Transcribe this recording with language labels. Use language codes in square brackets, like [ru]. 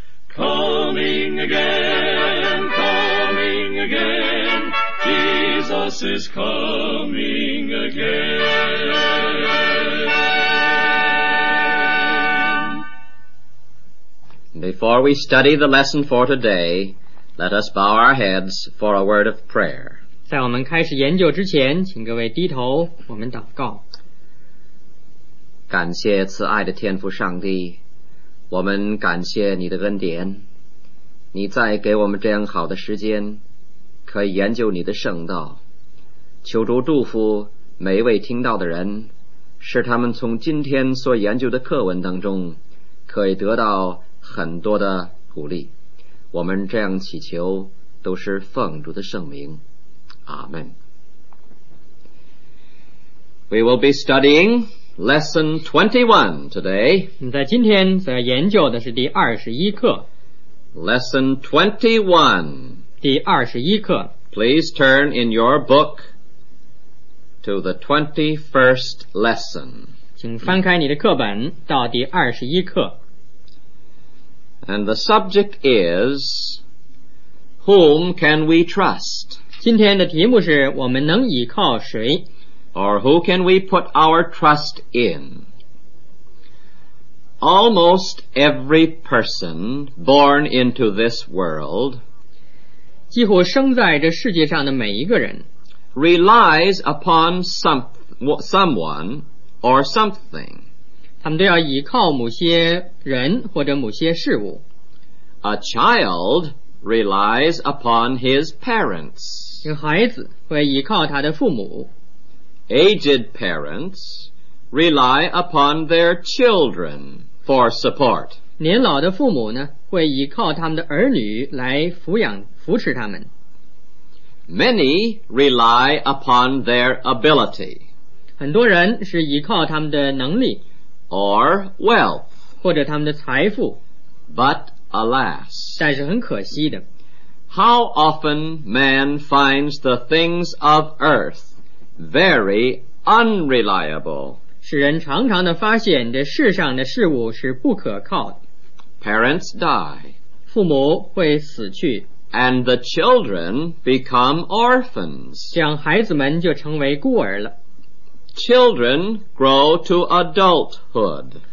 [en] Coming again, coming again, Jesus is coming again. Before we study the lesson for today, let us bow our heads for a word of prayer. [zh] 在我们开始研究之前，请各位低头，我们祷告。感谢慈爱的天父上帝，我们感谢你的恩典，你再给我们这样好的时间可以研究你的圣道，求主祝福每一位听到的人，使他们从今天所研究的课文当中可以得到很多的鼓励。我们这样祈求都是奉主的圣名，阿们。 [en] We will be studying lesson 21 today. [zh] 在今天所要研究的是第21课。 [en] Lesson 21. [zh] 第21课。 [en] Please turn in your book to the 21st lesson. [zh] 请翻开你的课本到第21课。 [en] And the subject is, whom can we trust? [zh] 今天的题目是我们能倚靠谁？ [en] Or who can we put our trust in? Almost every person born into this world, [zh] 几乎生在这世界上的每一个人， [en] relies upon someone or something. [zh] 他们都要倚靠某些人或者某些事物。 [en] A child relies upon his parents. [zh] 这孩子会倚靠他的父母。 [en] Aged parents rely upon their children for support. [zh] 年老的父母呢，会依靠他们的儿女来抚养、扶持他们。 [en] Many rely upon their ability. [zh] 很多人是依靠他们的能力。 [en] Or wealth. [zh] 或者他们的财富。 [en] But alas. [zh] 但是很可惜的。 [en] How often man finds the things of earth very unreliable. [zh] 使人常常的发现这世上的事物是不可靠的。 [en] Parents die. [zh] 父母会死去。 [en] And the children become orphans. [zh] 这样孩子们就成为孤儿了。 [en] Children grow to adulthood.